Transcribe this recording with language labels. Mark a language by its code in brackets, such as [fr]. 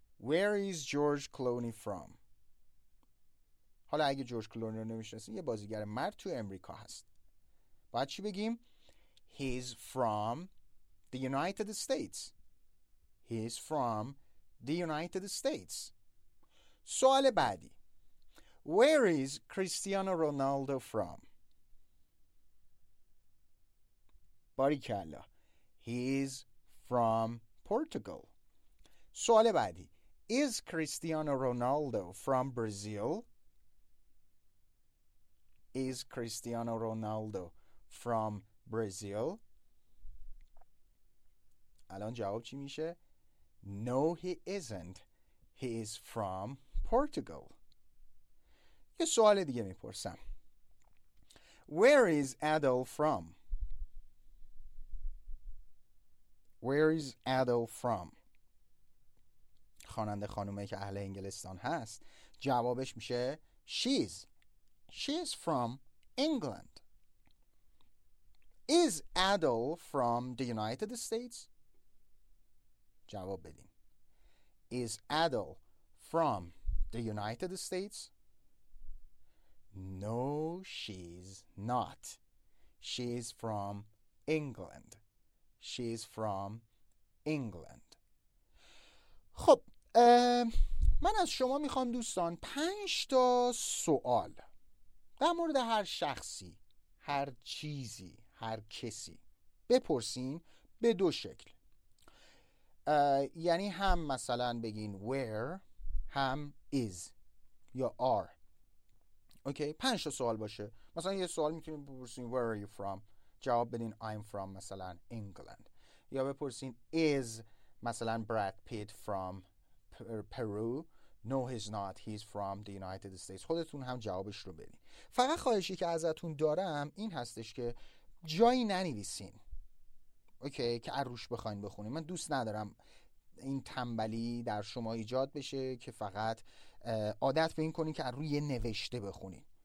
[en] Where is George Clooney from? [fa] حالا اگه جورج کلونی رو نمیشناسی، یه بازیگر مرد تو امریکا هست، باید چی بگیم؟ [en] He's from the United States. He's from the United States. [fa] سوال بعدی، [en] Where is Cristiano Ronaldo from? [fa] باریکلا، [en] He's from Portugal. سوال بعدی، Is Cristiano Ronaldo from Brazil? Is Cristiano Ronaldo from Brazil? [fa] الان جواب چی میشه؟ [en] No, he isn't. He is from Portugal. [fa] یه سوال دیگه میپرسم. [en] Where is Adele from? Where is Adele from? [fa] خواننده خانومه که اهل انگلستان هست، جوابش میشه [en] She's from England. Is Adele from the United States? [fa] جواب بدین. [en] Is Adele from the United States? No, she's not. She's from England. She's from England. [fa] خب من از شما میخوام دوستان 5 تا سوال در مورد هر شخصی، هر چیزی، هر کسی بپرسین به دو شکل، یعنی هم مثلا بگین where، هم is یا are. اوکی 5 تا سوال باشه. مثلا یه سوال میتونین بپرسین [en] where are you from، [fa] جواب بدین [en] I'm from [fa] مثلا England، یا بپرسین is مثلا Brad Pitt from Peru؟ [en] No, he's not. He's from the United States. [fa] خودتون هم جوابش رو بدین. فقط خواهشی که ازتون دارم این هستش که جایی ننویسین. اوکی، که عروش بخواین بخونین. من دوست ندارم این تنبلی در شما ایجاد بشه که فقط عادت به این کنین که روی نوشته بخونین.